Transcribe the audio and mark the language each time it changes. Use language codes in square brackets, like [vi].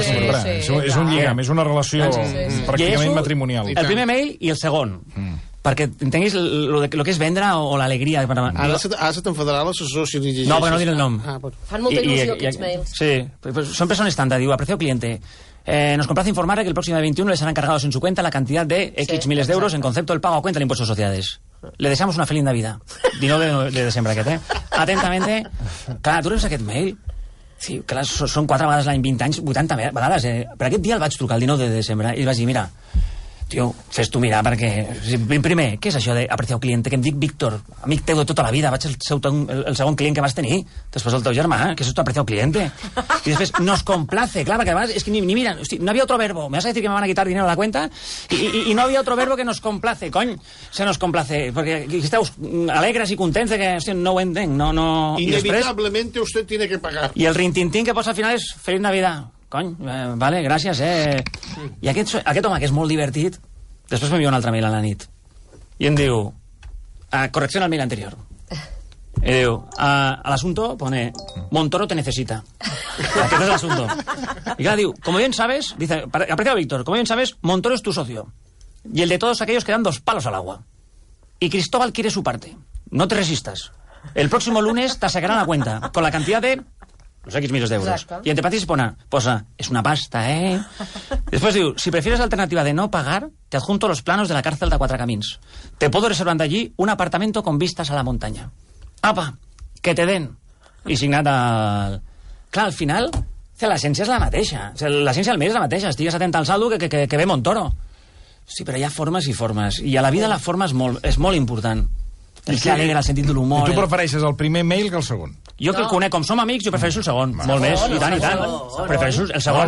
[ca] Sí, sí, és un lligam, és una relació pràcticament matrimonial. El primer mail i el segon. Perquè entenguis el que és vendre o l'alegria. Ara se t'enfadarà l'assessor si ho digueixes. No, però no diré el nom. Fan molta il·lusió aquests mails. Sí, pues són persones estàndard, diu, [es] aprecio cliente. Nos complace informar que el próximo 21 les serán cargados en su cuenta la cantidad de X miles de euros en concepto del pago a cuenta del impuesto de sociedades. Le deseamos una feliz Navidad. [ca] Dino de desembre aquest, eh? Atentamente. Clar, tu reus aquest mail? Sí, clar, són 4 vegades l'any, 20 anys, 80 vegades, eh? Però aquest dia el vaig trucar el 19 de desembre i vaig dir, mira, tio, fes tu mirar, perquè... Primer, què és això d' [es] apreciar cliente? [ca] Que em dic Víctor, amic teu de tota la vida, vaig ser el segon client que vas tenir, després el teu germà, que és tu apreciar cliente. I després, nos complace, clar, perquè és que ni mira, hosti, no havia otro verbo, [es] me vas a decir que me van a quitar dinero a la cuenta, [ca] i no havia otro verbo que nos complace, cony, se nos complace, perquè esteu alegres i contents de que, hosti, no ho entenc, no... [es] Inevitablemente després, usted tiene que pagar. [ca] I el rintintint que posa al final és [es] Feliz Navidad. [ca] Cony, vale, gràcies, eh? Sí. I aquest home, que és molt divertit, després m'envia un altre mail a la nit. I em diu... correcciona el mail anterior. I diu... [es] A l'assunto pone... Montoro te necesita. [ca] Aquest és l'assunto. I clar, diu... [es] Como bien sabes... Dice... Aprecio, [ca] Víctor. [es] Como bien sabes, Montoro es tu socio. Y el de todos aquellos que dan 2 palos al agua. Y Cristóbal quiere su parte. No te resistas. El próximo lunes te sacarán la cuenta con la cantidad de... No sé, 15 miles de euros. Exacto. Y entre patis posa, es una pasta, ¿eh? Después digo, si prefieres la alternativa de no pagar, te adjunto los planos de la cárcel de Cuatro Caminos. Te puedo reservar de allí un apartamento con vistas a la montaña. ¡Apa! ¡Que te den! Y sin nada... [ca] Clar, al final, l'essència és la mateixa. L'essència del mes és la mateixa. Estigues atent al saldo que ve Montoro. Sí, però hi ha formes i formes. I a la vida la forma és molt important. El que alegra, el sentit de l'humor... I tu prefereixes el primer mail que el segon? Jo que el conec, com som amics, jo prefereixo el segon. Molt més, i tant, i tant. Prefereixo el segon.